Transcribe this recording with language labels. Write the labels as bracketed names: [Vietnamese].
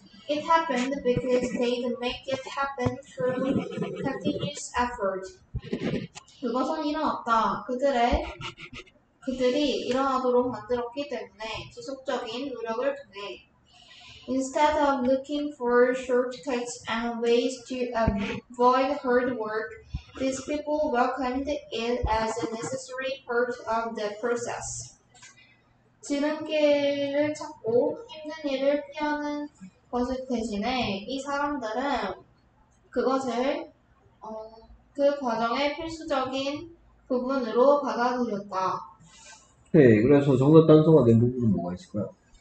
[English] It happened because they make it happen through continuous effort. [Korean] 그것은 일어났다. 그들이 일어나도록 만들었기 때문에 지속적인 노력을 통해. [English] Instead of looking for shortcuts and ways to avoid hard work, these people welcomed it as a necessary part of the process. [Korean] 지름길을 찾고 힘든 일을 피하는 것을 대신에 이 사람들은 그 과정의 필수적인 부분으로 받아들였다. 네, 그래서 정답 단서가 된 부분은 뭐가 있을까요?